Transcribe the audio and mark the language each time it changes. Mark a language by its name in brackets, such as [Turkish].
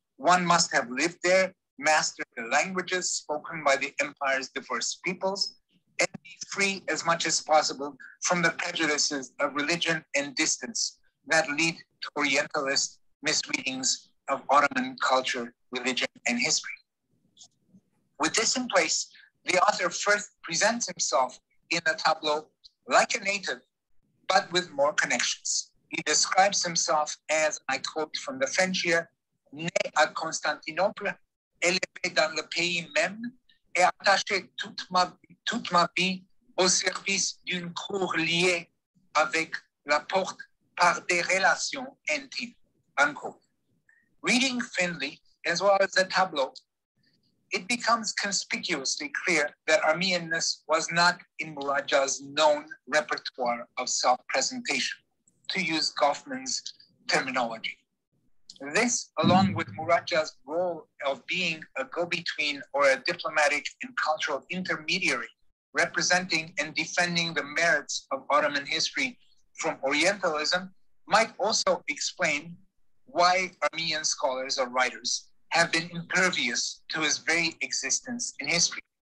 [English] One must have lived there, mastered the languages spoken by the empire's diverse peoples, and be free as much as possible from the prejudices of religion and distance that lead to Orientalist misreadings of Ottoman culture, religion, and history. With this in place, the author first presents himself in the tableau like a native, but with more connections. He describes himself as, I quote from the French here, [French] né à Constantinople, élevé dans le pays même, et attaché toute ma vie au service d'une cour liée avec la porte par des relations intimes, [English] unquote. Reading Findley, as well as the tableau, it becomes conspicuously clear that Armenianness was not in Mouradgea's known repertoire of self-presentation, to use Goffman's terminology. This, along with Mouradgea's role of being a go-between or a diplomatic and cultural intermediary, representing and defending the merits of Ottoman history from Orientalism, might also explain why Armenian scholars or writers have been impervious to his very existence in history.